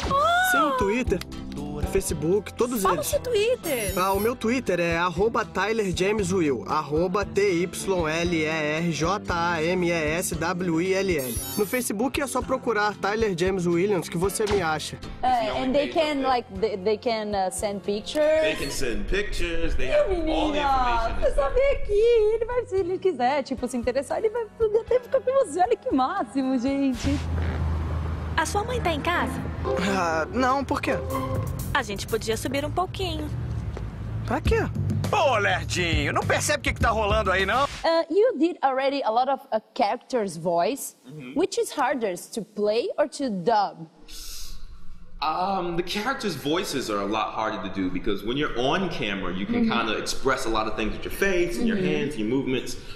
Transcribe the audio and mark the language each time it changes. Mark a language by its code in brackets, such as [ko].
[pt] Sim, Twitter, Facebook, todos Fala eles. Fala o seu Twitter. Ah, o meu Twitter é @TylerJamesWill, @TYLERJAMESWILL. No Facebook é só procurar Tyler James Williams, que você me acha. [en] And they can, like, they can send pictures. They can send pictures, they have [pt] menina, [en] all the information. [pt] Menina, você vai ver aqui, ele vai, se ele quiser, tipo, se interessar, ele vai poder até ficar com você. Olha que máximo, gente. A sua mãe tá em casa? Não, por quê? A gente podia subir um pouquinho. Pra quê? Pô, lerdinho, não percebe o que tá rolando aí, não? [en] You did already a lot of a character's voice. Mm-hmm. Which is harder, to play or to dub? The character's voices are a lot harder to do because when you're on camera, you can kind of express a lot of things with your face and your hands and your movements.